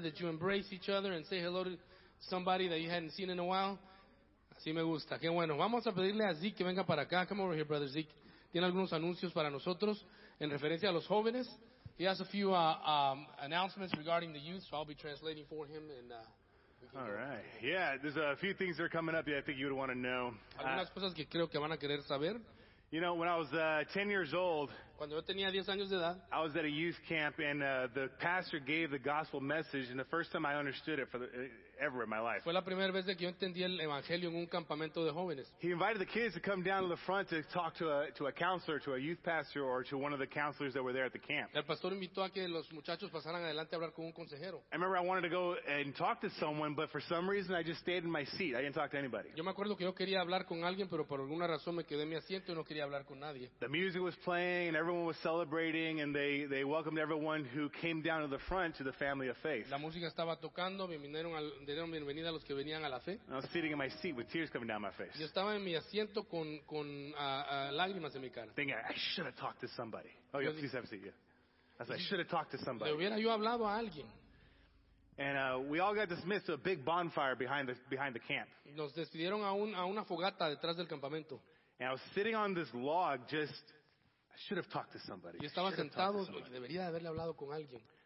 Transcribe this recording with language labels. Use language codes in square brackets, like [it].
[en] Did you embrace each other and say hello to somebody that you hadn't seen in a while? [es] Así me gusta. Qué bueno. Vamos a pedirle a Zeke que venga para acá. [en] Come over here, brother Zeke. [es] Tiene algunos anuncios para nosotros en referencia a los jóvenes. [en] He has a few announcements regarding the youth, so I'll be translating for him and. All right. Yeah, there's a few things that are coming up that I think you would want to know. [es] Algunas cosas que creo que van a querer saber. [en] You know, when I was 10 years old, [es] cuando yo tenía 10 años de edad, [en] I was at a youth camp, and the pastor gave the gospel message, and the first time I understood it ever in my life. [es] Fue la primera vez que yo entendí el evangelio en un campamento de jóvenes. [en] He invited the kids to come down to the front to talk to a counselor, to a youth pastor, or to one of the counselors that were there at the camp. [es] El pastor invitó a que los muchachos pasaran adelante a hablar con un consejero. [en] I remember I wanted to go and talk to someone, but for some reason I just stayed in my seat. I didn't talk to anybody. [es] Yo me acuerdo que yo quería hablar con alguien, pero por alguna razón me quedé en mi asiento y no quería hablar con nadie. [en] The music was playing, and everyone was celebrating, and they welcomed everyone who came down to the front to the family of faith. [es] La música estaba tocando, bienvenieron al dieron bienvenida a los que venían a la fe. [en] I was sitting in my seat with tears coming down my face. [es] Yo estaba en mi asiento con lágrimas en mi cara. [en] Thinking, I should have talked to somebody. Oh, yeah, please have a seat. Yeah. I should have talked to somebody. [es] Le hubiera yo hablado a alguien. [en] And we all got dismissed to a big bonfire behind the camp. [es] Nos despidieron a una fogata detrás del campamento. [en] And I was sitting on this log, just, I should have talked to somebody. [es] Yo estaba sentado, debería haberle hablado con alguien.